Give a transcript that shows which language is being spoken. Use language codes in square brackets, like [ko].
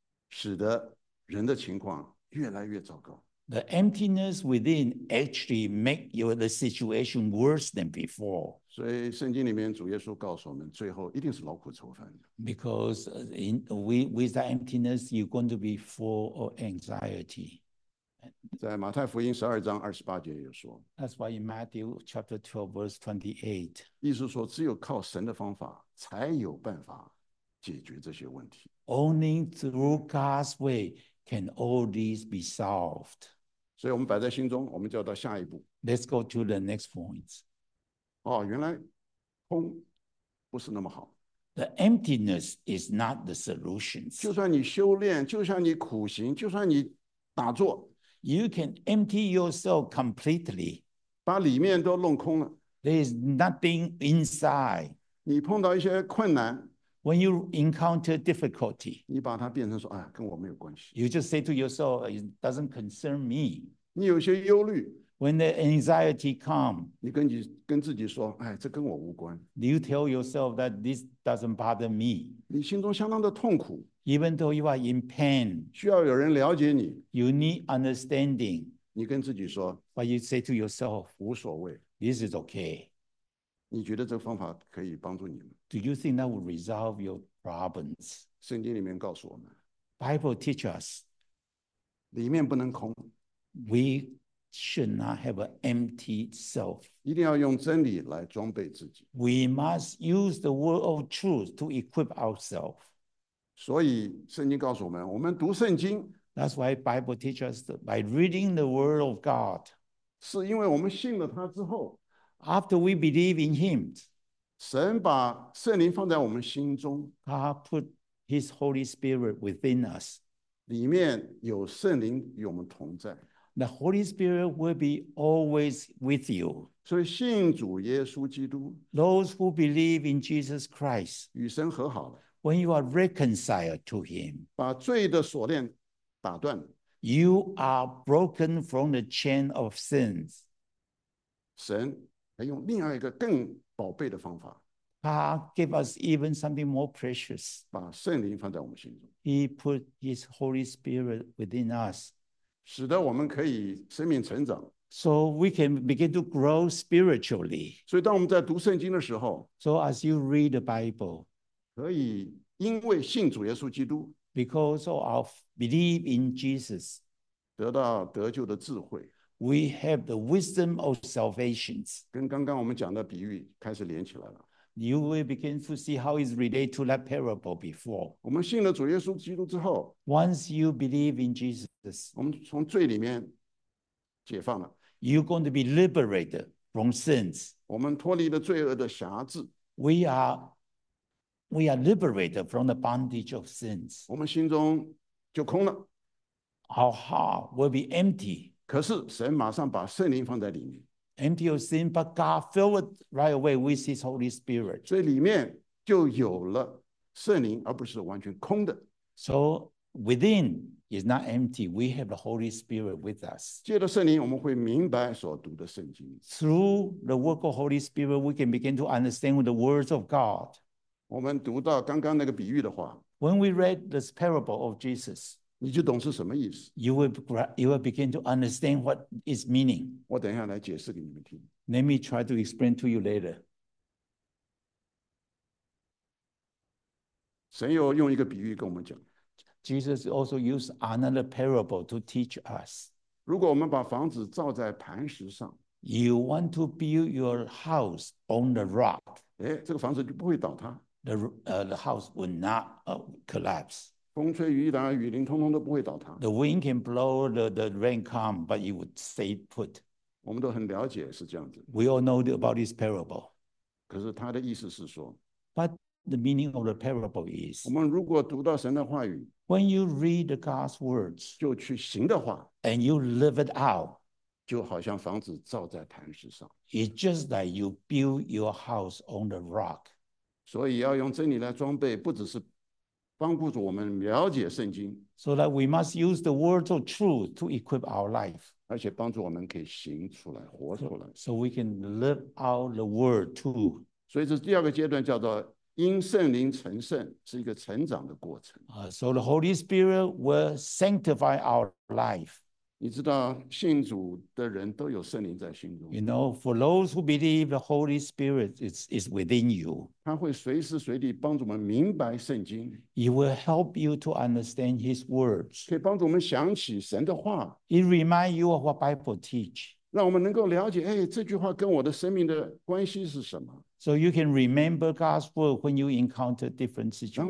[zh] 使得人的情况越来越糟糕。 [en] The emptiness within actually makes the situation worse than before. [zh] 所以圣经里面主耶稣告诉我们，最后一定是劳苦愁烦。 [en] Because with the emptiness, you're going to be full of anxiety. [zh] 在马太福音十二章二十八节也说， [en] That's why in Matthew chapter 12 verse 28， [zh] 意思说只有靠神的方法才有办法解决这些问题。 [en] Only through God's way can all these be solved. [zh] 所以我们摆在心中，我们就要到下一步。 [en] Let's go to the next point. [zh] 哦，原来空不是那么好。 [en] The emptiness is not the solution. [zh] 就算你修炼，就算你苦行，就算你打坐， [en] You can empty yourself completely. [zh] 把里面都弄空了。 [en] There is nothing inside. [zh] 你碰到一些困难。 [en] When you encounter difficulty， [zh] 你把它变成说，哎，跟我没有关系。 [en] You just say to yourself, it doesn't concern me。 [zh] 你有些忧虑。 [en] When the anxiety comes， [zh] 你跟自己说，哎，这跟我无关。 [en] You tell yourself that this doesn't bother me。 [zh] 你心中相当的痛苦。 [en] Even though you are in pain， [zh] 需要有人了解你。 [en] You need understanding。 [zh] 你跟自己说。 [en] But you say to yourself， [zh] 无所谓。 [en] This is okay。 [zh] 你觉得这个方法可以帮助你吗？ [en] Do you think that will resolve your problems? [zh] 圣经里面告诉我们， [en] Bible teach us， [zh] 里面不能空， [en] We should not have an empty self， [zh] 一定要用真理来装备自己， [en] We must use the word of truth to equip ourselves。 [zh] 所以圣经告诉我们，我们读圣经， [en] That's why Bible teach us by reading the word of God， [zh] 是因为我们信了他之后， [en] After we believe in Him， [zh] 神把圣灵放在我们心中， [en] God put His Holy Spirit within us， [zh] 里面有圣灵与我们同在， [en] The Holy Spirit will be always with you. [zh] 所以信主耶稣基督 [en] Those who believe in Jesus Christ [zh] 与神和好了 [en] When you are reconciled to him [zh] 把罪的锁链打断 [en] You are broken from the chain of sins [zh] 神还用另外一个更宝贝的方法 [en] God gave us even something more precious [zh] 把圣灵放在我们心中 [en] He put his Holy Spirit within us [zh] 使得我们可以生命成长 [en] So we can begin to grow spiritually. [zh] 所以当我们在读圣经的时候 [en] So as you read the Bible, [zh] 可以因为信主耶稣基督 [en] because of believe in Jesus, [zh] 得到得救的智慧 [en] we have the wisdom of salvation. [zh] 跟刚刚我们讲的比喻开始连起来了 [en] You will begin to see how it's related to that parable before. [zh] 我们信了主耶稣基督之后 [en] Once you believe in Jesus, [zh] 我们从罪里面解放了 [en] You're going to be liberated from sins. [zh] 我们脱离了罪恶的辖制 [en] We are liberated from the bondage of sins. [zh] 我们心中就空了 [en] Our heart will be empty. [zh] 可是神马上把圣灵放在里面 [en] Empty of sin, but God filled it right away with his Holy Spirit. [zh] 所以里面就有了圣灵而不是完全空的 [en] So within,It's not empty. We have the Holy Spirit with us. [zh] 借着圣灵，我们会明白所读的圣经。 [en] Through the work of Holy Spirit, we can begin to understand the words of God. [zh] 我们读到刚刚那个比喻的话。 [en] When we read this parable of Jesus, [zh] 你就懂是什么意思。 [en] You will begin to understand what its meaning. [zh] 我等一下来解释给你们听。 [en] Let me try to explain to you later. [zh] 神又用一个比喻跟我们讲。 [en] Jesus also used another parable to teach us. [zh] 如果我们把房子造在磐石上 [en] You want to build your house on the rock. [zh] 诶，这个房子就不会倒塌。 [en] The house will not collapse. [zh] 风吹雨打，雨淋，通通都不会倒塌。 [en] The wind can blow, the rain come, but it would stay put. [zh] 我们都很了解是这样子。 [en] We all know about this parable. [zh] 可是他的意思是说 [en] But the meaning of the parable is [zh] 我们如果读到神的话语 [en] When you read the God's words, [zh] 就去行的话, [en] and you live it out, [zh] 就好像房子造在磐石上, [en] it's just like you build your house on the rock. [zh] 所以要用真理来装备, 不只是帮助我们了解圣经, [en] so that we must use the words of truth to equip our life. [zh] 而且帮助我们可以行出来, 活出来, [en] so we can live out the word too. [zh] 所以这第二个阶段叫做因圣灵成圣是一个成长的过程。 [en] So the Holy Spirit will sanctify our life. [zh] 你知道信主的人都有圣灵在心中。 [en] You know, for those who believe the Holy Spirit is within you. [zh] 他会随时随地帮助我们明白圣经。 [en] It will help you to understand His words. [zh] 可以帮助我们想起神的话。 [en] It reminds you of what Bible teach. [zh] 让我们能够了解，哎，这句话跟我的生命的关系是什么。 [en] So you can remember God's word when you encounter different situations.